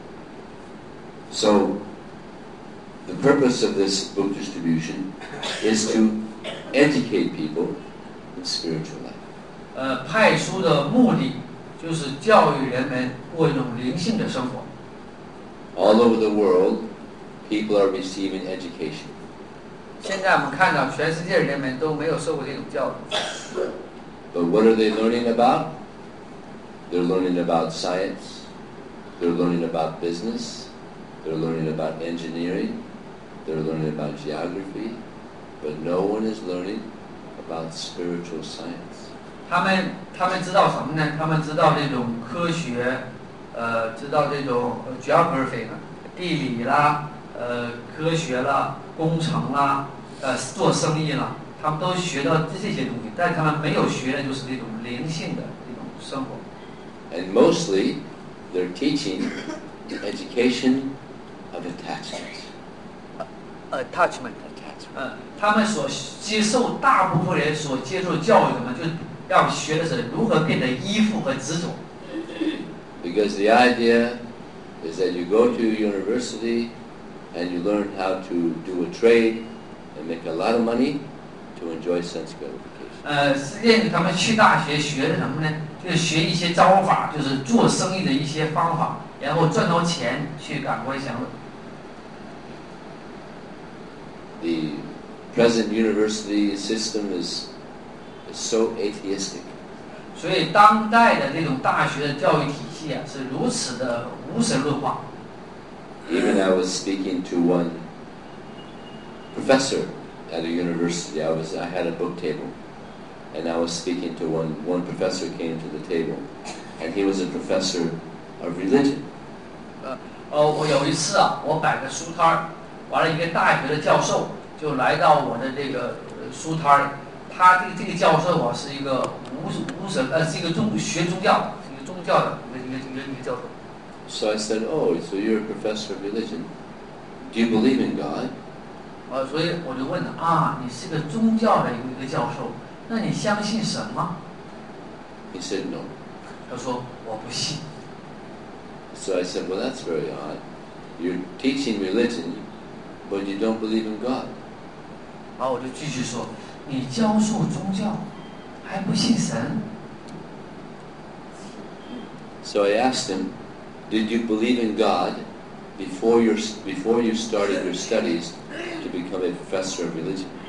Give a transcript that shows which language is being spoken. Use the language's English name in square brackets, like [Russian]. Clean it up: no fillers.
[Chinese] 然后最后最大程度达到就是人生的最大的价值，真达平和和进步。 [English] So the purpose of this book distribution is to educate people in spiritual life. [Chinese] 派书的目的就是教育人们过一种灵性的生活。 [English] All over the world, people are receiving education. [Chinese] 现在我们看到全世界人们都没有受过这种教育。 [English] But what are they learning about? They're learning about science. They're learning about business. They're learning about engineering. They're learning about geography, but no one is learning about spiritual science. [Chinese] 他们知道什么呢？他们知道这种科学，知道这种geography啦，地理啦，科学啦，工程啦，做生意啦。他们都学到这些东西，但他们没有学的就是那种灵性的那种生活。 [English] And mostly, they're teaching the education of attachment. Attachment. [Chinese] 他们所接受大部分人所接受教育的，就要学的是如何变得依附和执着。 [English] Because the idea is that you go to university and you learn how to do a trade and make a lot of money to enjoy sense gratification. [Chinese] 实际上他们去大学学的什么呢？就是学一些招法，就是做生意的一些方法，然后赚到钱去赶快享乐。 [English] The present university system is so atheistic. [Chinese] 所以当代的那种大学的教育体系啊，是如此的无神论化。 [English] Even I was speaking to one professor at a university. I had a book table, and I was speaking to one. One professor came to the table, and he was a professor of religion. [Chinese] 我有一次啊，我摆个书摊儿，完了一个大学的教授就来到我的这个书摊儿。他这个教授啊，是一个无神，是一个宗教的一个教授。 [English] So I said, oh, so you're a professor of religion. Do you believe in God? [Chinese] 所以我就问他，你是个宗教的一个教授，那你相信什么？ [English] He said, no. [Chinese] 他说，我不信。 [English] So I said, well, that's very odd. You're teaching religion, but you don't believe in God. [Chinese] 我就继续说，你教授宗教，还不信神？ [English] So I asked him,Did you believe in God before you started your studies to become a professor of religion?